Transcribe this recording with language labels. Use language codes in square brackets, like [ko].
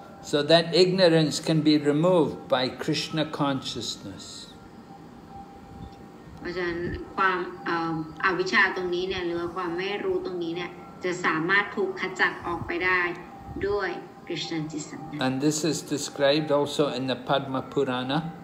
[en] So that ignorance can be removed by Krishna consciousness [th] เพราะฉะนั้นความอวิชชาตรงนี้เนี่ยหรือความไม่รู้ตรงนี้เนี่ยจะสามารถถูกขจัดออกไปได้ด้วย Krishna consciousness [en] And this is described also in the Padma Purana.